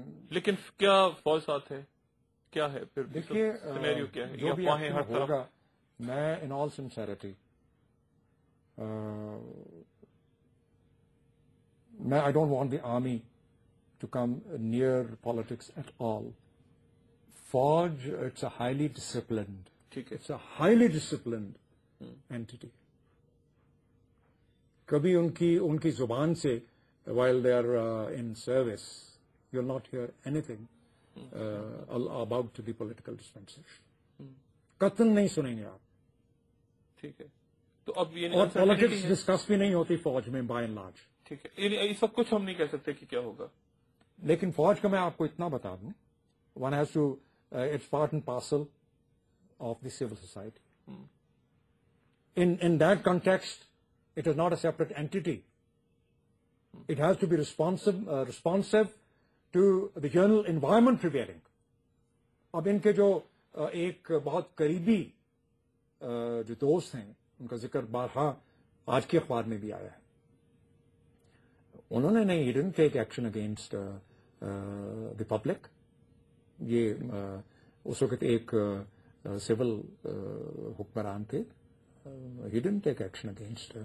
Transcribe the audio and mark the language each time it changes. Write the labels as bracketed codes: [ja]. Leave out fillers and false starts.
[ur] لیکن کیا فوج ساتھ ہے, کیا ہے پھر, دیکھیے جو بھی ہر طرف ہوگا, [en] میں in all sincerity میں I don't want the army to come near politics at all. فوج it's a highly disciplined, [ur] ٹھیک ہے, [en] It's a highly disciplined entity. [ur] کبھی ان کی زبان سے [en] while they are in service you'll not hear anything about the political dispensation. [ur] قطن نہیں سنیں گے آپ, ٹھیک ہے, تو اب یہ اور پالیٹکس ڈسکس بھی نہیں ہوتی فوج میں [en] by and large, [ur] ٹھیک ہے, یعنی اس وقت کچھ ہم نہیں کہہ سکتے کہ کیا ہوگا. لیکن فوج کا میں آپ کو اتنا بتا دوں, [en] One has to it's part and parcel of the civil society. In that context it is not a separate entity. It has to be responsive to the general environment prevailing. [ur] اب ان کے جو ایک بہت قریبی جو دوست ہیں ان کا ذکر بارہا آج کے اخبار میں بھی آیا ہے, انہوں نے نہیں, [en] he didn't take action against the public. [ur] یہ اس وقت ایک سول حکمران تھے, [en] he didn't take action against.